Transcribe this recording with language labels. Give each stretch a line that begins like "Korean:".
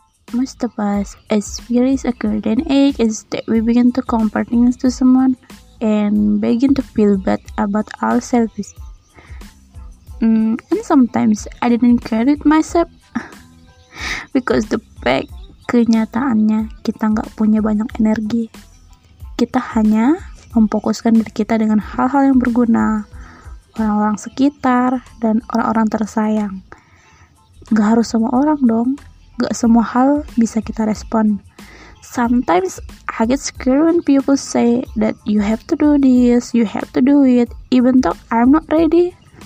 English: Most of us, as we reach a certain age, is that we begin to compare things to someone and begin to feel bad about ourselves. And sometimes I didn't credit myself because the fact,
Indonesian: kenyataannya kita nggak punya banyak energi. Kita hanya memfokuskan diri kita dengan hal-hal yang berguna, orang-orang sekitar, dan orang-orang tersayang. Gak harus semua orang dong, gak semua hal bisa kita respon.
English: Sometimes I get scared when people say that you have to do this, you have to do it, even though I'm not ready.